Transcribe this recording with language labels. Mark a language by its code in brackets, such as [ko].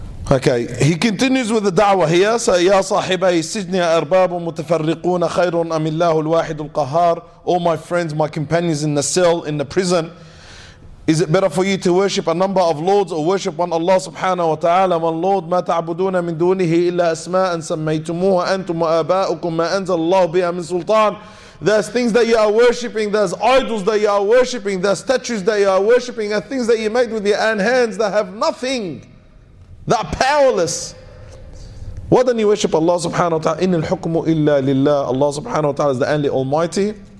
[en] Okay, he continues with the da'wah here. So, [ar] يَا صَاحِبَيْ سِجْنِيَ أَرْبَابٌ مُتَفَرِّقُونَ خَيْرٌ أَمِ اللَّهُ الْوَاحِدُ الْقَهَارُ. [en] All my friends, my companions in the cell, in the prison. Is it better for you to worship a number of lords or worship one Allah subhanahu wa ta'ala? One Lord, [ar] مَا تَعْبُدُونَ مِنْ دُونِهِ إِلَّا أَسْمَاءً سَمَّيْتُمُوهَا أَنْتُمْ وَآبَاؤُكُمْ مَا أَنزَلَ اللَّهُ بِهَا مِنْ سُلْطَانٍ. [en] There's things that you are worshipping, there's idols that you are worshipping, there's statues that you are worshipping, and things that you made with your own hands that have nothing. That are powerless. What then you worship Allah subhanahu wa ta'ala? [ar] Innal hukmu illa lillah. [en] Allah subhanahu wa ta'ala is the only almighty.